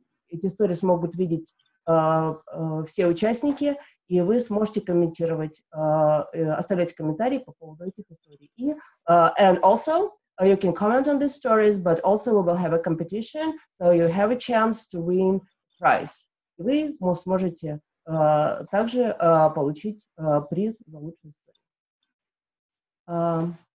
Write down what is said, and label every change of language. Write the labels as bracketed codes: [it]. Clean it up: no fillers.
[ru] Эти истории смогут видеть все участники, и и вы сможете комментировать, оставлять комментарии по поводу этих историй. [en] И, and also, you can comment on these stories, but also we will have a competition, so you have a chance to win prize. [ru] И вы сможете также получить приз за лучшую историю.